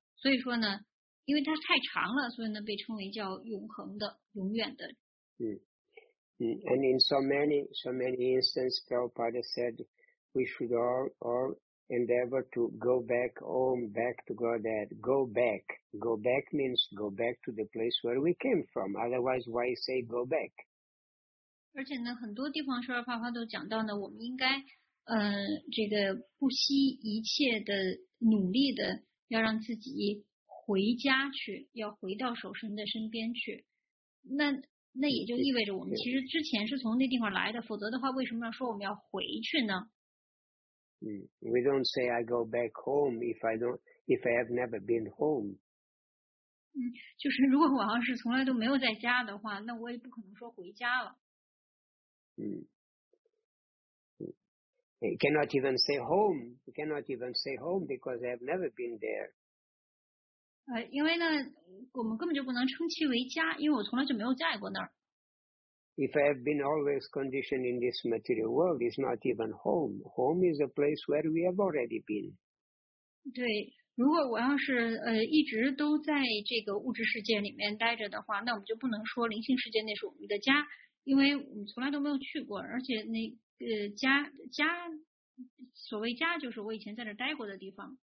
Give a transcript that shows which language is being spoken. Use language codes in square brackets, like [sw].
[zh] 所以说呢，因为它太长了，所以呢被称为叫永恒的、永远的。 [en] And in so many instances, Prabhupada said we should all. Endeavor to go back home, back to Godhead. Go back. Go back means go back to the place where we came from. Otherwise, why say go back? [zh] 而且呢，很多地方说，法华都讲到呢，我们应该这个不惜一切的努力的要让自己回家去，要回到守神的身边去。那也就意味着我们其实之前是从那地方来的，否则的话为什么要说我们要回去呢？ [en] We don't say I go back home if I have never been home. [zh] 就是如果我要是从来都没有在家的话，那我也不可能说回家了。 [en] I cannot even say home. I cannot even say home because I have never been there. [zh] 因为呢，我们根本就不能称其为家，因为我从来就没有在过那儿。 [en] If I have been always conditioned in this material world, it's not even home. Home is a place where we have already been. [zh] 对，如果我要是一直都在这个物质世界里面待着的话，那我们就不能说灵性世界那是我们的家，因为我们从来都没有去过，而且那家，所谓家就是我以前在那待过的地方。